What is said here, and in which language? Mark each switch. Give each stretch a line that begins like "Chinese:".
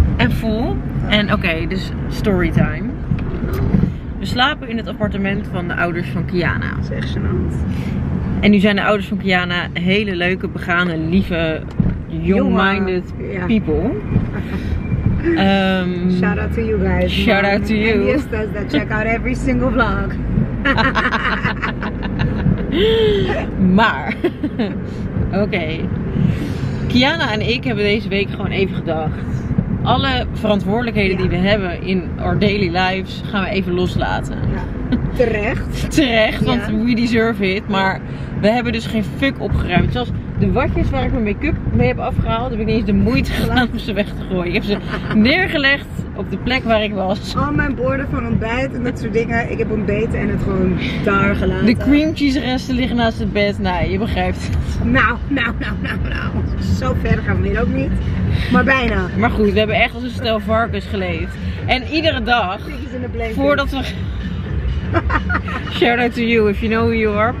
Dutch: En vol. En oké, dus storytime. We slapen in het appartement van de ouders van Kiana. Zeg ze dat. En nu zijn de ouders van Kiana hele leuke, begane, lieve,
English: young-minded people. Shout-out to you guys. Shout-out to you. And yes, that's that check out every single vlog.
Dutch: Maar. Oké. Kiana en ik hebben deze week gewoon even gedacht. Alle verantwoordelijkheden die we hebben
English: in our daily lives
Dutch: gaan we even loslaten. Ja, terecht. Terecht, want
English: we deserve it.
Dutch: Maar we hebben dus geen fuck opgeruimd. Zelfs de watjes waar ik mijn make-up mee heb afgehaald, heb ik niet eens de moeite gedaan om ze weg te gooien. Ik heb ze neergelegd op de plek waar ik was. Al mijn borden van ontbijt en dat soort dingen. Ik heb ontbeten en het gewoon daar gelaten. De cream cheese resten liggen naast het bed. Nee, je begrijpt het. Nou. Zo ver gaan we hier ook niet. Maar bijna. Maar goed, we hebben echt als een stel varkens geleefd. En iedere dag,
English: piggies in the blanket.
Dutch: Voordat we...
English: Shout out to you if you know who you are.